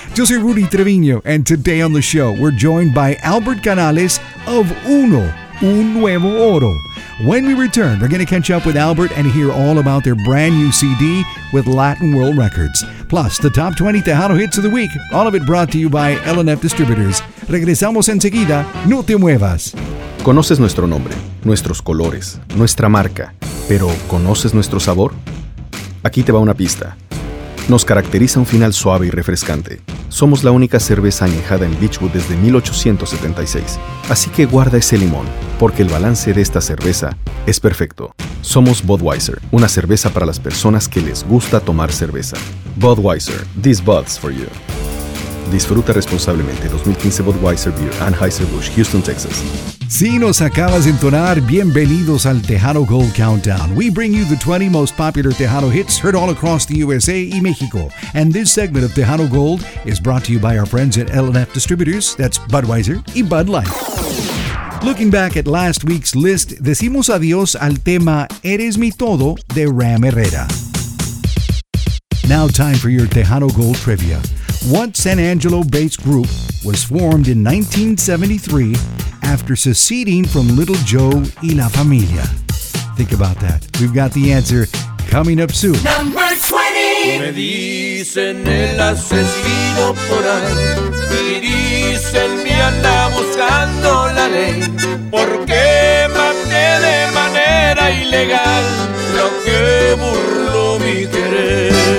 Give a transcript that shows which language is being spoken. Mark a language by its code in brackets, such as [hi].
[es] Yo soy [en] Rudy Treviño, and today on the show, we're joined by Albert Canales of Uno, Un Nuevo Oro. When we return, we're going to catch up with Albert and hear all about their brand new CD with Latin World Records. Plus, the top 20 Tejano hits of the week, all of it brought to you by L&F Distributors. [es] Regresamos enseguida, no te muevas. ¿Conoces nuestro nombre, nuestros colores, nuestra marca, pero conoces nuestro sabor? Aquí te va una pista. Nos caracteriza un final suave y refrescante. Somos la única cerveza añejada en Beechwood desde 1876. Así que guarda ese limón, porque el balance de esta cerveza es perfecto. Somos Budweiser, una cerveza para las personas que les gusta tomar cerveza. [en] Budweiser, this Bud's for you. [es] Disfruta responsablemente 2015 Budweiser Beer, Anheuser-Busch, Houston, Texas. Si nos acabas de entonar, bienvenidos al Tejano Gold Countdown. [en] We bring you the 20 most popular Tejano hits heard all across the USA [es] y México. [en] And this segment of Tejano Gold is brought to you by our friends at L&F Distributors, that's Budweiser y Bud Light. Looking back at last week's list, [es] decimos adiós al tema [en] Eres Mi Todo de Ram Herrera. Now time for your Tejano Gold trivia. What San Angelo-based group was formed in 1973 after seceding from Little Joe y La Familia? Think about that. We've got the answer coming up soon. Number 20! [es] Me dicen el asesino por ahí. Me dicen me anda buscando la ley. Porque maté de manera ilegal lo que burló mi querer.